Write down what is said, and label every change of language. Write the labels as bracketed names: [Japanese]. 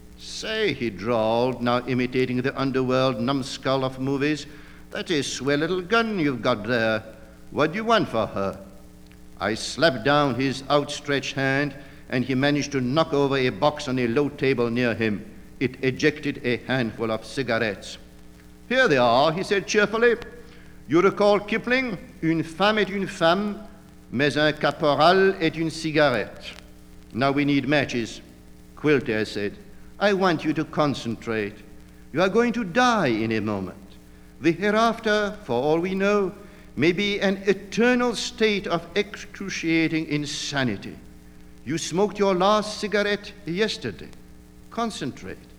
[English] "Say," he drawled, now imitating the underworld numbskull of movies, "that is swell little gun you've got there. What do you want for her?" I slapped down his outstretched hand, and he managed to knock over a box on a low table near him. It ejected a handful of cigarettes. "Here they are," he said cheerfully. "You recall Kipling? [French] Une femme est une femme, mais un caporal est une cigarette. [English] Now we need matches." "Quilty," I said, "I want you to concentrate. You are going to die in a moment. The hereafter, for all we know, may be an eternal state of excruciating insanity. You smoked your last cigarette yesterday. Concentrate.